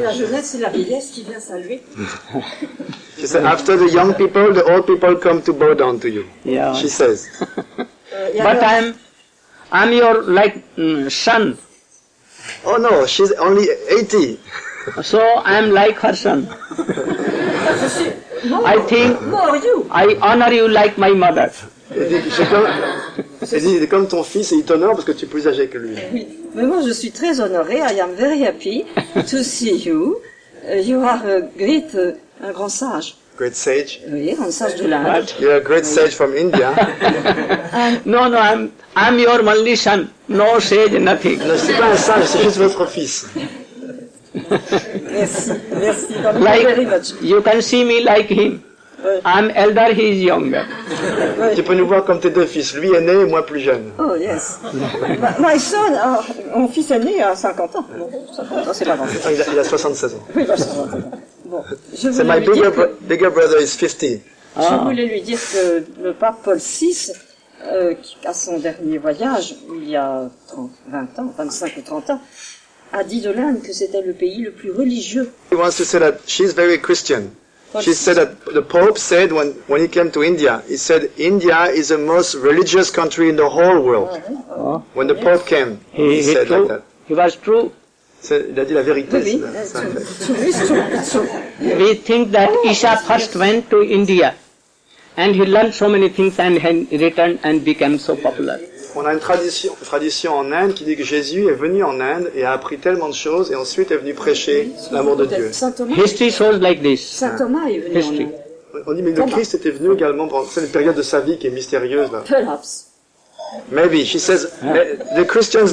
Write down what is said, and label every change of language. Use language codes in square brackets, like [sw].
[fr] la jeunesse, c'est la vieillesse qui vient saluer. [en] She said, after the young people, the old people come to bow down to you. Yeah. She says. But I'm your, like, son. Oh, no, she's only 80. So, I'm like her son. I think I honor you like my mother. [fr] Elle dit, comme ton fils, il t'honore parce que tu es plus âgé que lui. Mais moi, je suis très honorée. [en] I am very happy to see you. You are a great, [fr] un grand sage. [en] Great sage. [fr] Oui, un sage de l'âge. [en] You are a great sage from India. No, I'm your only son. No sage, nothing. [fr] Non, c'est pas un sage, c'est juste votre fils. Merci. [en] Like, very much. You can see me like him. I'm elder, he is younger. [fr] Tu peux nous voir comme tes deux fils, lui aîné et moi plus jeune. [en] Oh yes. My son, [fr] mon fils aîné a 50 ans. Bon, 50 ans, c'est pas grand. Il a 76 ans. Oui, il a 76 ans. [en] C'est my bigger brother is 50. Ah. [fr] Je voulais lui dire que le pape Paul VI, qui a son dernier voyage, il y a 25 ou 30 ans, a dit de l'Inde que c'était le pays le plus religieux. [en] He wants to say that she's very Christian. She said that the Pope said when he came to India, he said India is the most religious country in the whole world. Oh. When the Pope came, he said true. Like that. He was true. [fr] C'est, il a dit la vérité. [en] We think that Isha first went to India and he learned so many things and he returned and became so popular. [fr] On a une tradition en Inde qui dit que Jésus est venu en Inde et a appris tellement de choses et ensuite est venu prêcher l'amour de Dieu. [en] History shows like this. [fr] Saint Thomas est venu [en] History. [fr] En Inde. On dit, mais le Christ était venu également pendant cette période de sa vie qui est mystérieuse. Là. [en] Perhaps. Maybe, she says, the Christians